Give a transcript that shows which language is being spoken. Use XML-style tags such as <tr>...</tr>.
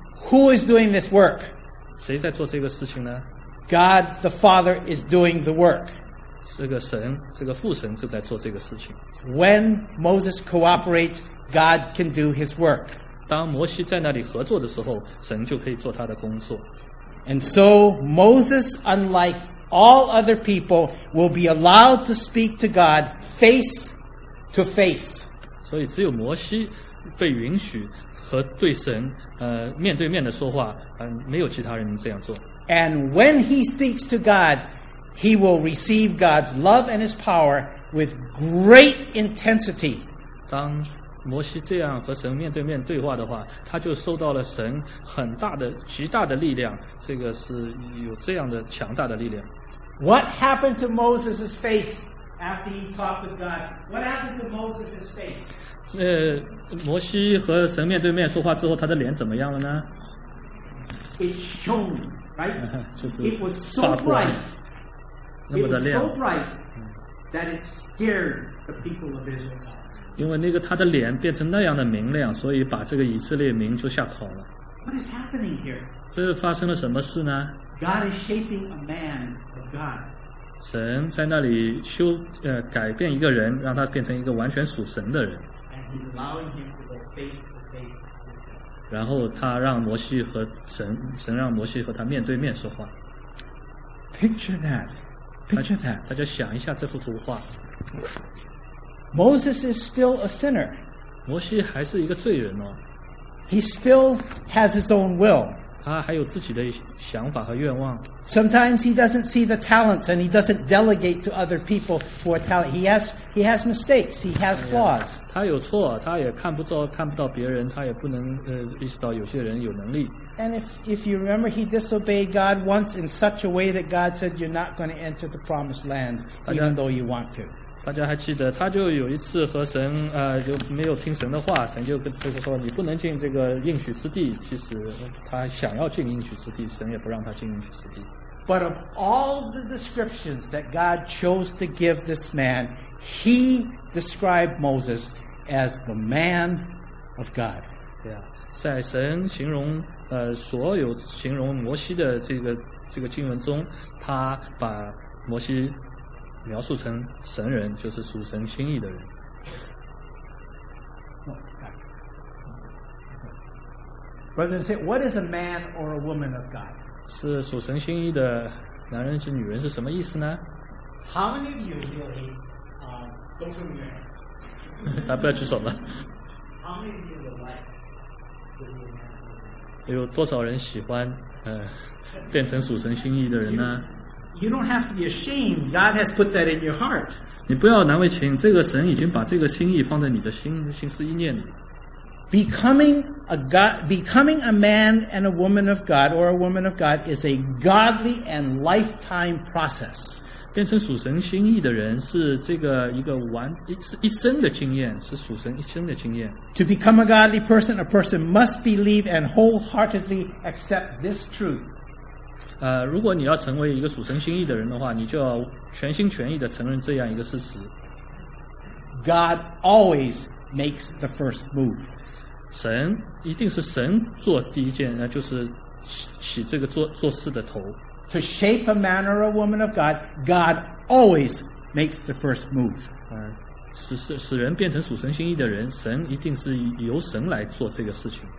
<en>Who is doing this work?</en> <zh>谁在做这个事情呢？</zh> <en>God the Father is doing the work.</en> <zh>这个父神正在做这个事情。</zh> <en>When Moses cooperates, God can do his work.</en> <zh>当摩西在那里合作的时候，神就可以做他的工作。</zh> <en>And so Moses, unlike all other people, will be allowed to speak to God face to face.</en> <zh>所以只有摩西被允许和对神面对面的说话，没有其他人能这样做。</zh> <en>And when he speaks to God, he will receive God's love and his power with great intensity.</en> <zh>当摩西这样和神面对面对话的话，他就受到了神很大的极大的力量，这个是有这样的强大的力量。</zh> <en>What happened to Moses' face after he talked with God? What happened to Moses' face?</en> <zh>摩西和神面对面说话之后，他的脸怎么样了呢？</zh> <en>It shone, right?</en> <zh>就是</zh> <en>It was so bright.</en> <zh>那么的亮。</zh> <en>It was so bright that it scared the people of Israel.</en> <zh>因为那个他的脸变成那样的明亮，所以把这个以色列民就吓跑了。</zh> <en>What is happening here?</en> <zh>这发生了什么事呢？</zh> <en>God is shaping a man of God.</en> <zh>神在那里改变一个人，让他变成一个完全属神的人。</zh> <en>And he's allowing him to go face to face with God.</en> <zh>然后他让摩西和神让摩西和他面对面说话。</zh> <en>Picture that. Picture that.</en> <zh>大家想一下这幅图画。</zh> <en>Moses is still a sinner.</en> <zh>摩西还是一个罪人哦。</zh> <en>He still has his own will.</en> <zh>他还有自己的想法和愿望。</zh> <en>Sometimes he doesn't see the talents and he doesn't delegate to other people for talent. He has He has mistakes. He has flaws.</en> <zh>他有错，他也看不到别人，他也不能意识到有些人有能力。</zh> <en>And if you remember, he disobeyed God once in such a way that God said, "You're not going to enter the promised land, even though you want to."</en> <zh>大家还记得，他就有一次和神就没有听神的话，神就跟他说，你不能进这个应许之地。其实他想要进应许之地，神也不让他进应许之地。</zh> <en>But of all the descriptions that God chose to give this man, He described Moses as the man of God. Yeah.</en> <zh>在神形容所有形容摩西的这个经文中，他把摩西描述成神人，就是属神心意的人。</zh> <en>Brother said, "What is a man or a woman of God?"</en> <zh>是属神心意的男人是女人是什么意思呢</zh> <en>？How many of you really?</en> <zh>都是女人。大家不要举手了。</zh> <en>How many of you would like?</en> <zh>有多少人喜欢变成属神心意的人呢？</zh> <en>You don't have to be ashamed. God has put that in your heart.</en> <zh>你不要难为情，这个神已经把这个心意放在你的心思意念里。</zh> <en>Becoming a man and a woman of God, or a woman of God, is a godly and lifetime process.</en> <zh>变成属神心意的人是这个一个完一生的经验，是属神一生的经验。</zh> <en>To become a godly person, a person must believe and wholeheartedly accept this truth.</en> <zh>如果你要成为一个属神心意的人的话，你就要全心全意地承认这样一个事实。</zh> <en>God always makes the first move.</en> <zh>神一定是神做第一件，那就是起这个做事的头。</zh> <en>To shape a man or a woman of God, God always makes the first move.</en> <zh>使人变成属神心意的人，神一定是由神来做这个事情。</zh>